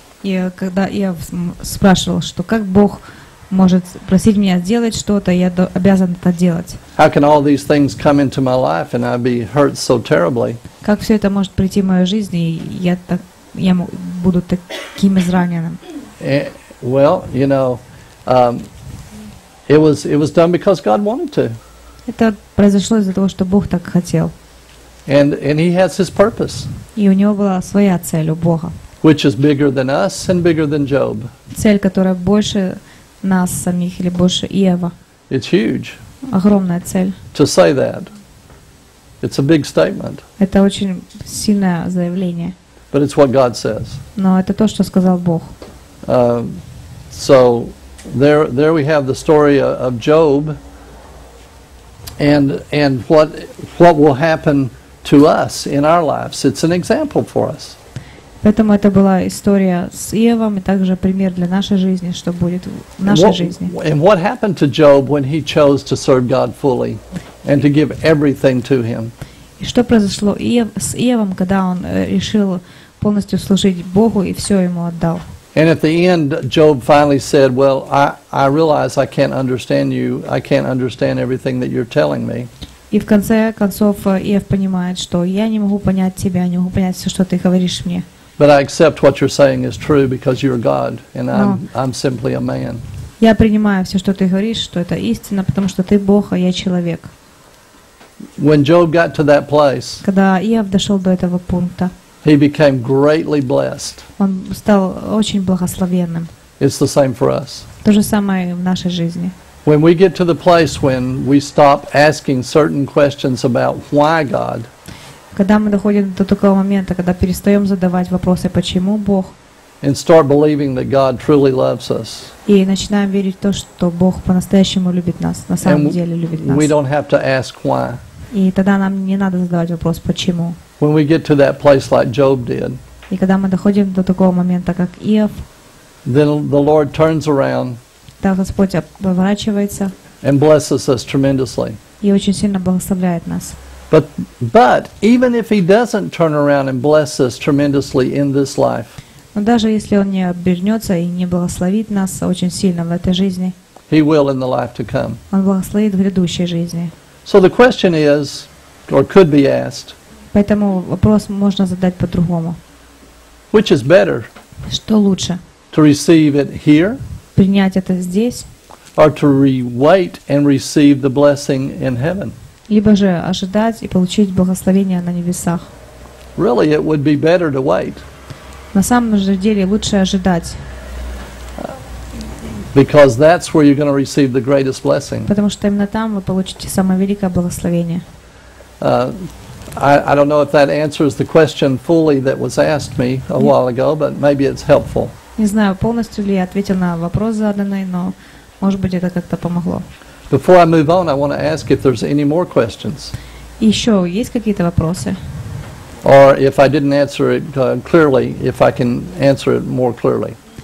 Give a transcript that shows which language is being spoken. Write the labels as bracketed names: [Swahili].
[Russian] И когда я спрашивал, что как Бог может просить меня сделать что-то, я обязан это делать. [English] How can all these things come into my life and I be hurt so terribly? [Russian] Как все это может прийти в мою жизнь, и я буду таким израненным? [English] Well, you know, it was done because God wanted to. [Russian] Это произошло из-за того, что Бог так хотел. [English] And he has his purpose. [Russian] И у него была своя цель у Бога. [English] Which is bigger than us and bigger than Job. [Russian] Цель, которая больше нас самих или больше Иова. [English] It's huge. [Russian] Огромная цель. [English] To say that. It's a big statement. [Russian] Это очень сильное заявление. [English] But it's what God says. [Russian] Но это то, что сказал Бог. [English] So there we have the story of Job and what will happen to us in our lives. It's an example for us. [Russian] Поэтому это была история с Иовом и также пример для нашей жизни, что будет в нашей жизни. [English] And what happened to Job when he chose to serve God fully and to give everything to him? [Russian] И что произошло с Иовом, когда он решил полностью служить Богу и все ему отдал? [English] And at the end, Job finally said, well, I realize I can't understand you. I can't understand everything that you're telling me. [Russian] И в конце концов Иов понимает, что я не могу понять тебя, не могу понять все, что ты говоришь мне. [English] But I accept what you're saying is true because you're God and I'm simply a man. [Russian] Я принимаю все, что ты говоришь, что это истина, потому что ты Бог, а я человек. [English] When Job got to that place, [Russian] когда Иов дошел до этого пункта, [English] he became greatly blessed. [Russian] Он стал очень благословенным. [English] It's the same for us. [Russian] То же самое в нашей жизни. [English] When we get to the place when we stop asking certain questions about why God, [Russian] когда мы доходим до такого момента, когда перестаем задавать вопросы, почему Бог, [English] and start believing that God truly loves us, [Russian] и начинаем верить в то, что Бог по-настоящему любит нас, на самом деле любит нас, [English] we don't have to ask why. [Russian] И тогда нам не надо задавать вопрос, почему. [English] When we get to that place like Job did, [Russian] и когда мы доходим до такого момента, как Иов, [English] then the Lord turns around, [Russian] да, Господь поворачивается, [English] and blesses us tremendously, [Russian] и очень сильно благословляет нас. [English] But even if he doesn't turn around and bless us tremendously in this life, [Russian] но даже если он не обернется и не благословит нас очень сильно в этой жизни, [English] he will in the life to come. [Russian] Он благословит в грядущей жизни. [English] So the question is, or could be asked, [Russian] поэтому вопрос можно задать по-другому. [English] Which is better? [Russian] Что лучше? [English] To receive it here? [Russian] Принять это здесь? [English] Or to wait and receive the blessing in heaven? [Russian] Либо же ожидать и получить благословение на небесах. [English] Really, it would be better to wait. [Russian] На самом же деле лучше ожидать. [English] Because that's where you're going to receive the greatest blessing. [Russian] Потому что именно там вы получите самое великое благословение. [English] I don't know if that answers the question fully that was asked me a while ago, but maybe it's helpful. [Russian] Не знаю, полностью ли я ответил на вопрос заданный, но может быть это как-то помогло. [English] Before I move on, I want to ask if there's any more questions. [Russian] Еще есть какие-то вопросы? [English] Or if I didn't answer it clearly, if I can answer it more clearly.